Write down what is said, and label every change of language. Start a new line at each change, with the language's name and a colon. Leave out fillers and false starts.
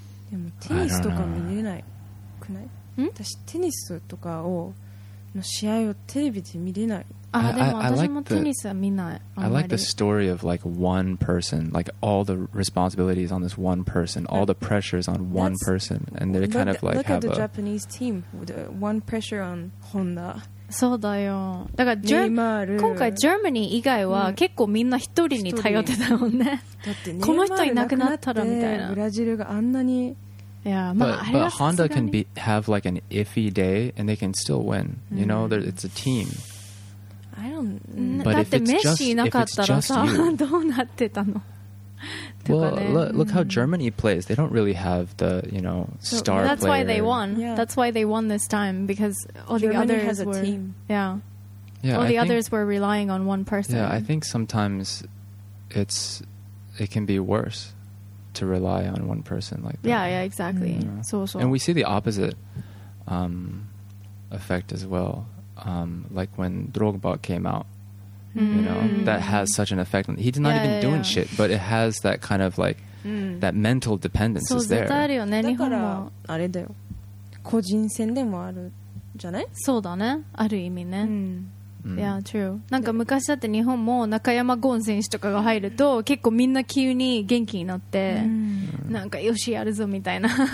Japanese: でもテニスとか見れないくない？ん？私テニスとかをの試合をテレビで見れない。あ、でも私もテニスは見ない。
English: I like the story of like one person, like all the responsibilities on this one person, all the pressures on one person, and they kind of like have a... Look at the Japanese team, the one pressure on Honda.
Japanese: そうだよ。だから今回ジャーマニー以外は結構みんな一人に頼ってたもんね。だってこの人いなくなったらみたいな。ブラジルがあんなに、いや、まあ、
English: But Honda can be have like an iffy day and they can still win. You know, it's a team. I don't. But if it's just
Japanese: メッシいなかったらさ、どうなってたの？
English: Well, look how Germany plays. They don't really have the, you know, star player. That's why they won. Yeah. That's why they won this time because all the others were... Germany has a team. Yeah. Yeah, all the others were relying on one person. Yeah, I think sometimes it can be worse to rely on one person like that. Yeah, exactly. Yeah. So. And we see the opposite effect as well. Like when Drogba came out. You know, that has such an effect. He's not even doing shit, but it has that kind of like, that mental dependence is there.
Japanese: そう、絶対あるよね、日本も。だから、あれだよ。個人戦でもあるじゃない？そうだね、ある意味ね。
English: Yeah, true.
Japanese: なんか昔だって日本も中山ゴン選手とかが入ると、結構みんな急に元気になって、なんかよしやるぞみたいな。